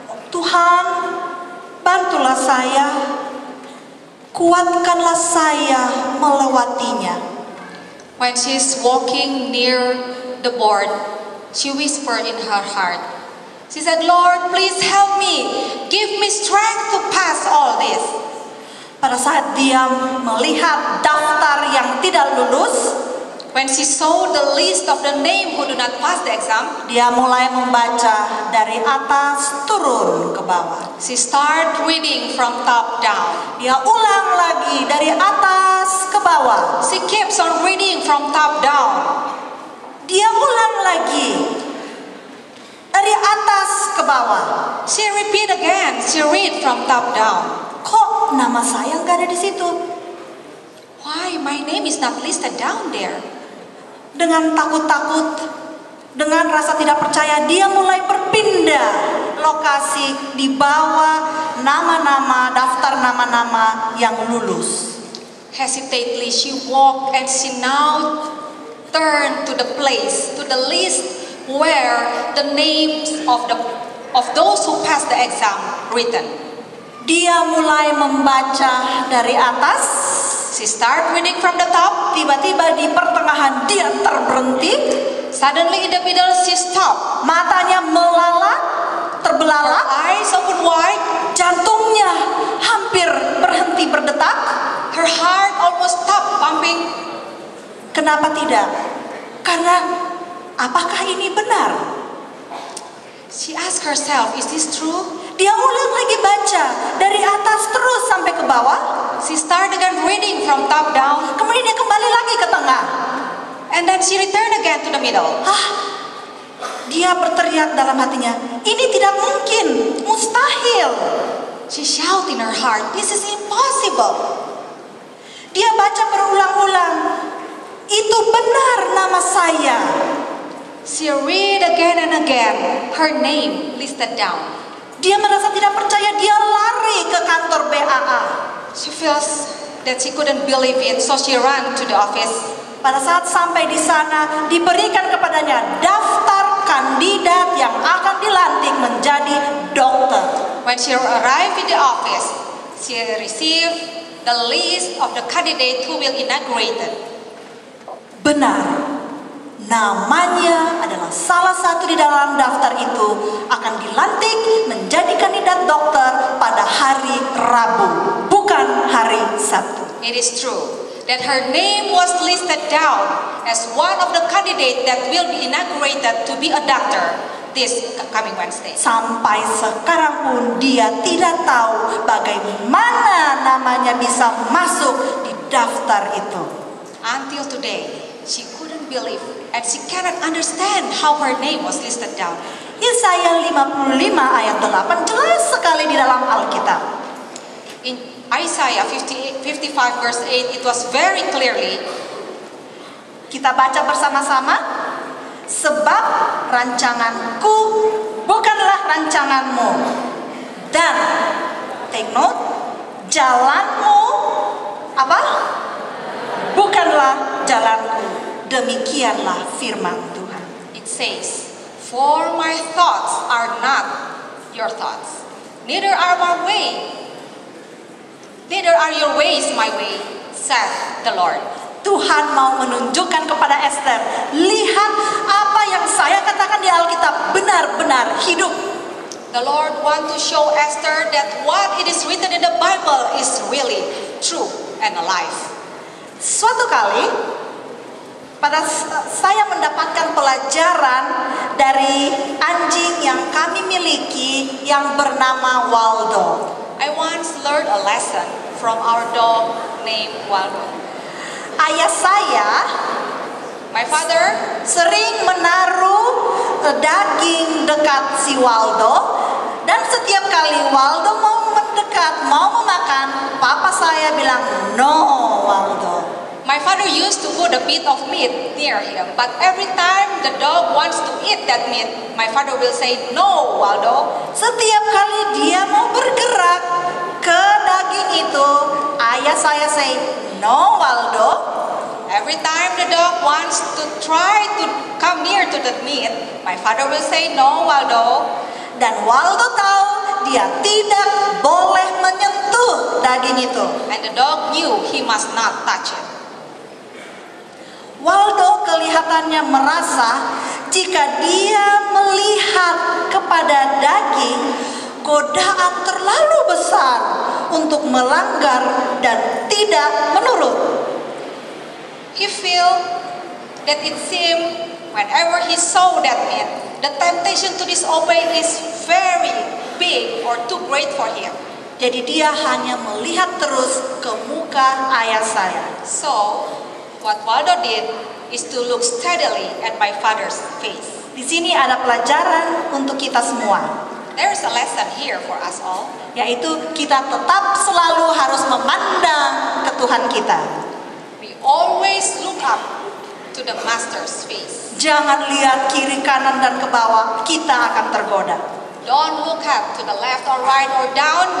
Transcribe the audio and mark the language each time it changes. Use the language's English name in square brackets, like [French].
[Indonesian] Tuhan, bantulah saya, kuatkanlah saya melewatinya. [English] When she is walking near the board, she whispered in her heart. She said, Lord, please help me, give me strength to pass all this. [Indonesian] Pada saat dia melihat daftar yang tidak lulus, [English] when she saw the list of the name who do not pass the exam, [Indonesian] dia mulai membaca dari atas turun ke bawah. [English] She start reading from top down. [Indonesian] Dia ulang lagi dari atas ke bawah. [English] She keeps on reading from top down. [Indonesian] Dia ulang lagi dari atas ke bawah. [English] She repeat again. She read from top down. [Indonesian] Kok nama saya enggak ada di situ? [English] Why my name is not listed down there? [Indonesian] Dengan takut-takut, dengan rasa tidak percaya, dia mulai berpindah lokasi di bawah nama-nama, daftar nama-nama yang lulus. [English] Hesitantly she walk and she now turn to the place, to the list where the names of those who passed the exam written. [Indonesian] Dia mulai membaca dari atas. [English] She start reading from the top. [Indonesian] Tiba-tiba di pertengahan dia terberhenti. [English] Suddenly in the middle she stop. [Indonesian] Matanya melalat, terbelalak. [English] Her eyes open wide. [Indonesian] Jantungnya hampir berhenti berdetak. [English] Her heart almost stop pumping. [Indonesian] Kenapa tidak? Karena apakah ini benar? [English] She ask herself, is this true? [Indonesian] Dia ulang lagi baca dari atas terus sampai ke bawah. [English] She start again reading from top down. [Indonesian] Kemudian dia kembali lagi ke tengah. [English] And then she return again to the middle. Hah? [Indonesian] Dia berteriak dalam hatinya, ini tidak mungkin, mustahil. [English] She shouted in her heart, "This is impossible." [Indonesian] Dia baca berulang-ulang, "Itu benar nama saya." [English] She read again and again her name listed down. [Indonesian] Dia merasa tidak percaya, dia lari ke kantor BAA. [English] She feels that she couldn't believe it, so she ran to the office. [Indonesian] Pada saat sampai di sana, diberikan kepadanya daftar kandidat yang akan dilantik menjadi dokter. [English] When she arrived in the office, she received the list of the candidate who will inaugurate. [Indonesian] Benar, namanya adalah salah satu di dalam daftar itu akan dilantik menjadi kandidat dokter pada hari Rabu, bukan hari Sabtu. [English] It is true that her name was listed down as one of the candidate that will be inaugurated to be a doctor this coming Wednesday. [Indonesian] Sampai sekarang pun dia tidak tahu bagaimana namanya bisa masuk di daftar itu. [English] Until today, she couldn't believe and she cannot understand how her name was listed down. [Indonesian] Yesaya 55 ayat 8 jelas sekali di dalam Alkitab. [English] In Isaiah 55 verse 8, it was very clearly. [Indonesian] Kita baca bersama-sama. Sebab rancanganku bukanlah rancanganmu, dan [English] take note, [Indonesian] jalanmu apa? Bukanlah jalanku. Demikianlah firman Tuhan. [English] It says, for my thoughts are not your thoughts, neither are my way, neither are your ways my way, saith the Lord. [Indonesian] Tuhan mau menunjukkan kepada Esther, lihat apa yang saya katakan di Alkitab benar-benar hidup. [English] The Lord want to show Esther that what it is written in the Bible is really true and alive. [Indonesian] Suatu kali, pada saya mendapatkan pelajaran dari anjing yang kami miliki yang bernama Waldo. [English] I once learned a lesson from our dog named Waldo. [Indonesian] Ayah saya, [English] my father, [Indonesian] sering menaruh daging dekat si Waldo, dan setiap kali Waldo mau mendekat, mau memakan, papa saya bilang, [English] "No, Waldo." My father used to put a bit of meat near him, but every time the dog wants to eat that meat, my father will say, "No, Waldo." [Indonesian] Setiap kali dia mau bergerak ke daging itu, ayah saya [English] say, "No, Waldo." Every time the dog wants to try to come near to that meat, my father will say, "No, Waldo." [Indonesian] Dan Waldo tahu dia tidak boleh menyentuh daging itu. [English] And the dog knew he must not touch it. [Indonesian] Waldo kelihatannya merasa jika dia melihat kepada daging, godaan terlalu besar untuk melanggar dan tidak menurut. [English] He feel that it seemed whenever he saw that meat, the temptation to disobey is very big or too great for him. [Indonesian] Jadi dia hanya melihat terus ke muka ayah saya. [English] So, what Waldo did is to look steadily at my father's face. [Indonesian] Di sini ada pelajaran untuk kita semua. [English] There is a lesson here for us all. [Indonesian] Yaitu kita tetap selalu harus memandang ke Tuhan kita. [English] We always look up to the Master's face. [Indonesian] Jangan lihat kiri, kanan, dan ke bawah. Kita akan tergoda. [English] Don't look up to the left or right or down.